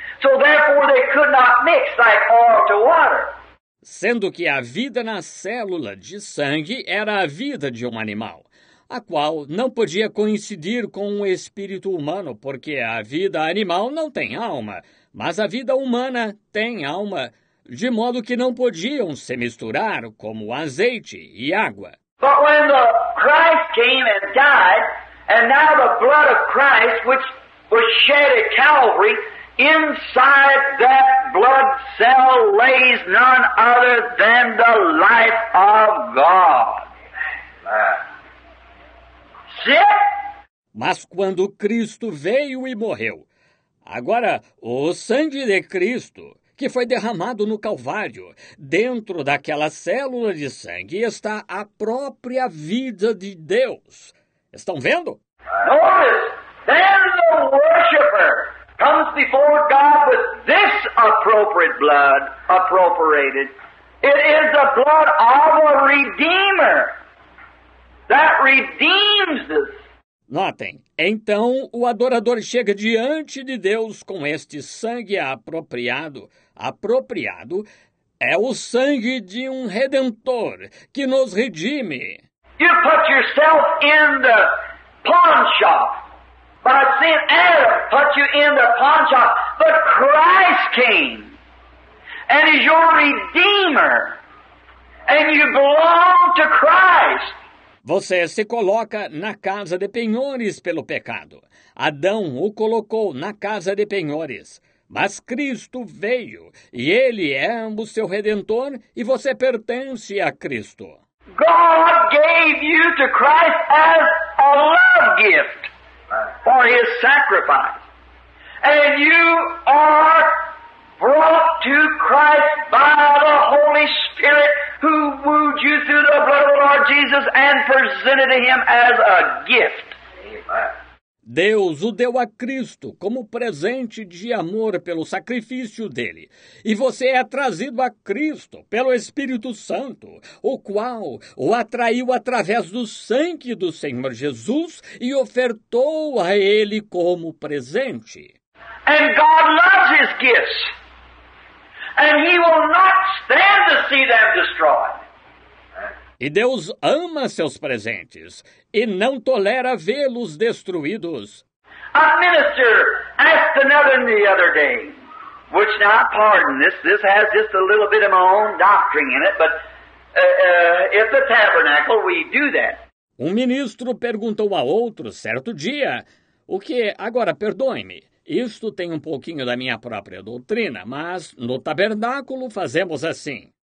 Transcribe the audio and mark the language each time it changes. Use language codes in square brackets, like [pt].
[en] So therefore they could not mix like oil to water. [pt] Sendo que a vida na célula de sangue era a vida de um animal, a qual não podia coincidir com o espírito humano, porque a vida animal não tem alma, mas a vida humana tem alma, de modo que não podiam se misturar como azeite e água. [en] But when the Christ came and died, and now the blood of Christ, which was shed at Calvary, inside that blood cell lays none other than the life of God. [pt] Mas quando Cristo veio e morreu, agora o sangue de Cristo, que foi derramado no Calvário, dentro daquela célula de sangue está a própria vida de Deus. Estão vendo? [en] Notice, then the worshiper comes before God with this appropriate blood, appropriated. It is the blood of a Redeemer. That redeems us. [pt] Notem, então o adorador chega diante de Deus com este sangue apropriado. Apropriado é o sangue de um redentor que nos redime. [en] You put yourself in the pawn shop. By sin, Adam put you in the pawn shop. But Christ came and is your redeemer. And you belong to Christ. [pt] Você se coloca na casa de penhores pelo pecado. Adão o colocou na casa de penhores. Mas Cristo veio, e Ele é o seu Redentor, e você pertence a Cristo. [en] God gave you to Christ as a love gift for His sacrifice. And you are brought to Christ by the Holy Spirit who wooed you through the blood of the Lord Jesus and presented to Him as a gift. [pt] Deus o deu a Cristo como presente de amor pelo sacrifício dele. E você é trazido a Cristo pelo Espírito Santo, o qual o atraiu através do sangue do Senhor Jesus e ofertou a Ele como presente. [en] And God loves His gifts. And He will not stand to see them destroyed. [pt] E Deus ama seus presentes e não tolera vê-los destruídos. [en] A minister asked another the other day, which now I pardon this, this has just a little bit of my own doctrine in it, but if the tabernacle, we do that. [pt] Um ministro perguntou a outro certo dia, o que, agora perdoe-me, isto tem um pouquinho da minha própria doutrina, mas no tabernáculo fazemos assim.